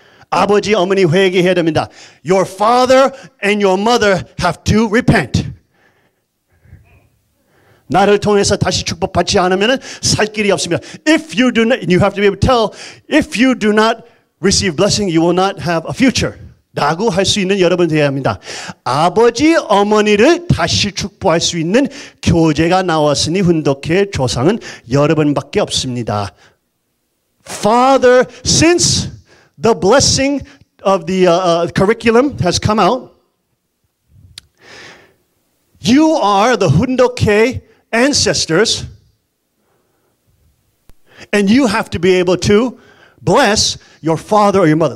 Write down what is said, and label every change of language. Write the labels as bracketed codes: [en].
[ko] 아버지, 어머니 회개해야 됩니다. [en] Your father and your mother have to repent. [ko] 나를 통해서 다시 축복 받지 않으면 살 길이 없습니다. [en] If you do not, you have to be able to tell, if you do not receive blessing, you will not have a future. [ko] 라고 할 수 있는 여러분 되어야 합니다. 아버지, 어머니를 다시 축복할 수 있는 교재가 나왔으니 훈독해 조상은 여러분밖에 없습니다. [en] Father, since the blessing of the curriculum has come out, you are the 훈독해 ancestors, and you have to be able to bless your father or your mother.